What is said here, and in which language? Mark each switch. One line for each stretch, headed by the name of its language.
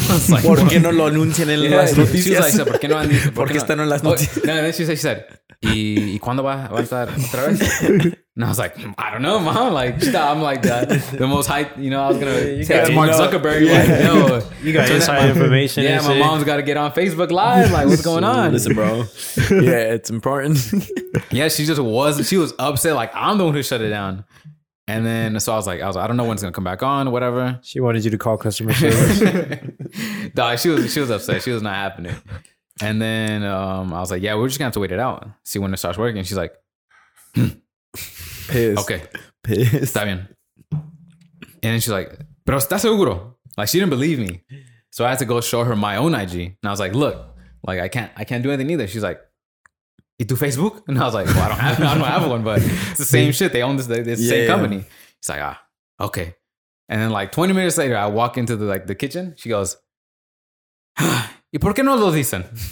Spanish: Like, ¿por qué no lo anuncian en las noticias?
English: She was like,
Spanish: ¿por qué no porque están en las noticias?
English: Oh, no, she said,
Spanish: ¿y cuándo va a estar otra vez?
English: And I was like, I don't know, mom. Like, stop. I'm like that. The most hype, you know, I was going to say Mark Zuckerberg. Yeah. Like, no. You got inside information. Yeah, my mom's got to get on Facebook Live. Like, what's going on? Listen, bro. Yeah, it's important. Yeah, she was upset. Like, I'm the one who shut it down. And then, so I was like, I don't know when it's gonna come back on, whatever. She wanted you to call customer service. Dog, she was upset. She was not happening. And then I was like, yeah, we're just gonna have to wait it out, see when it starts working. She's like, pissed. Okay. Pissed.
Spanish: Está bien.
English: And then she's like,
Spanish: pero está seguro.
English: Like, she didn't believe me. So I had to go show her my own IG. And I was like, look, like, I can't do anything either. She's like, you do Facebook? And I was like, well, I don't have one, but it's the same shit. They own this, the same company. He's like, ah, okay. And then like 20 minutes later, I walk into the kitchen. She goes,
Spanish: ¿y por qué no lo dicen?